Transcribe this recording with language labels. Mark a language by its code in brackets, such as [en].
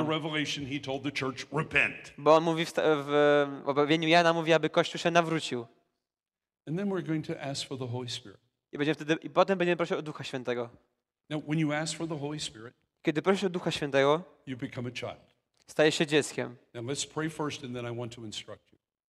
[en] In the revelation he told the church repent. [pl] Bo on mówi w objawieniu Jana mówi, aby Kościół się nawrócił. [en] And then we're going to ask for the Holy Spirit. [pl] I potem będziemy prosić o Ducha Świętego. [en] Now when you ask for the Holy Spirit. [pl] Kiedy prosisz o Ducha Świętego, [en] you become a child. [pl] Stajesz się dzieckiem. [en] Now let's pray first and then I want to instruct you.